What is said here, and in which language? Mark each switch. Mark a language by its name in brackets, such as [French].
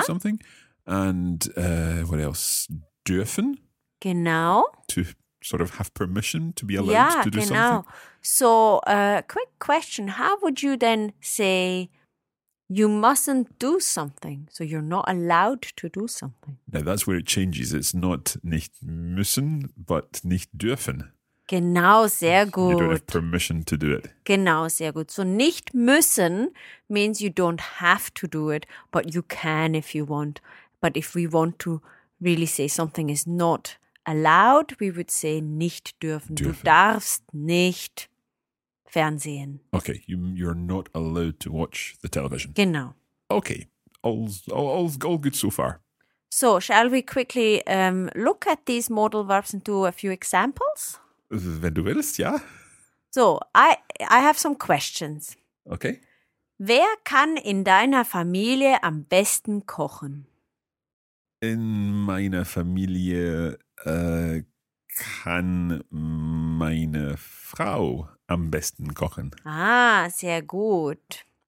[English] do something, and what else? [German] Dürfen, genau. [English] to sort of have permission to be allowed yeah, to do [German] genau. [English] something. So, quick question. How would you then say you mustn't do something? So you're not allowed to do something. Now, that's where it changes. It's not [German] nicht müssen, [English] but [German] nicht dürfen. Genau, sehr gut. [English] You don't have permission to do it. [German] Genau, sehr gut. [English] So [German] nicht müssen [English] means you don't have to do it, but you can if you want. But if we want to really say something is not allowed, we would say [German] nicht dürfen. Dürfen. Du darfst nicht fernsehen. [English] Okay, you're not allowed to watch the television. [German] Genau. [English] Okay, all good so far. So, shall we quickly look at these modal verbs and do a few examples? [German] Wenn du willst, ja. [English] So, I have some questions. Okay. [German] Wer kann in deiner Familie am besten kochen? In meiner Familie kann meine Frau am besten kochen. Ah, sehr gut.